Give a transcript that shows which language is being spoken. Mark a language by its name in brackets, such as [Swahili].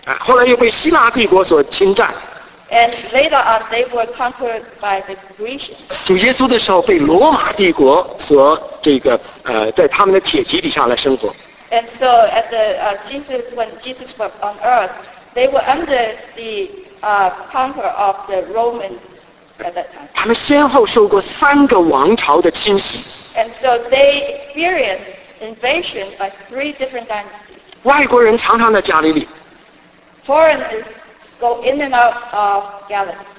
[Chinese] 后来又被希腊帝国所侵占。 [English] And later on, they were conquered by the Grecians. [Chinese] 主耶稣的时候被罗马帝国所这个在他们的铁蹄底下来生活。 [English] And so at the Jesus when Jesus was on earth. They were under the conquer of the Romans at that time. [Chinese] 他们先后受过三个王朝的侵袭。 [English] And so they experienced invasion by three different dynasties. [Chinese] 外国人常常在加利利。 [English] Foreigners go in and out of Galilee.